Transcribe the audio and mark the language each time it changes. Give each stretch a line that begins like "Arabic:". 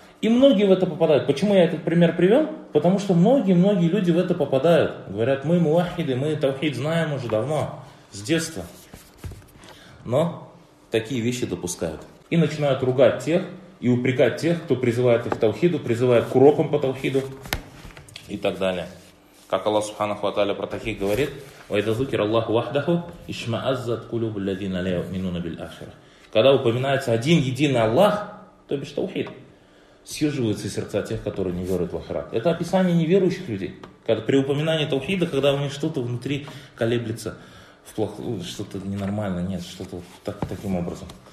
Russian: И многие в это попадают. Почему я этот пример привел? Потому что многие люди в это попадают. Говорят, мы муахиды, мы таухид знаем уже давно, с детства. Но такие вещи допускают. И начинают ругать тех, и упрекать тех, кто призывает их к таухиду, призывает к урокам по таухиду и так далее. Как Аллах субханаху ва тааля про таких говорит,
Arabic: وَإِذَا ذُكِرَ اللَّهُ وَحْدَهُ اشْمَأَزَّتْ قُلُوبُ الَّذِينَ لَا يُؤْمِنُونَ بِالْآخِرَةِ.
Russian: Когда упоминается один единый Аллах, то бишь таухид, съеживаются сердца тех, которые не веруют в ахират. Это описание неверующих людей. Когда, при упоминании таухида, когда у них что-то внутри колеблется, что-то ненормально, нет, что-то вот так, таким образом.